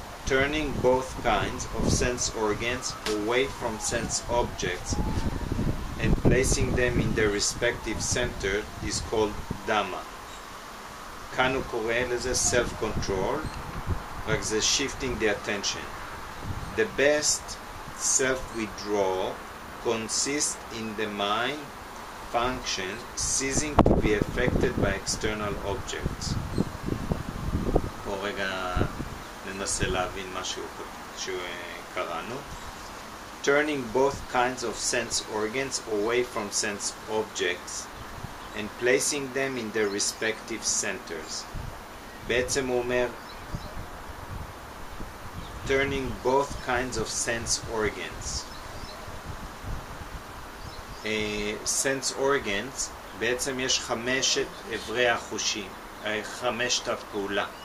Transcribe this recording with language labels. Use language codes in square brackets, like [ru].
[en] Turning both kinds of sense organs away from sense objects and placing them in their respective center is called Dhamma. [he] כאן הוא קורא לזה self-control. רק זה [en] shifting the attention. The best self-withdrawal consists in the mind function ceasing to be affected by external objects. [he] פה רגע ננסה להבין משהו שקראנו. [en] Turning both kinds of sense organs away from sense objects and placing them in their respective centers. [he] בעצם הוא אומר [en] turning both kinds of sense organs. Sense organs, [he] בעצם יש חמשת עברי החושים, חמשת הפעולה.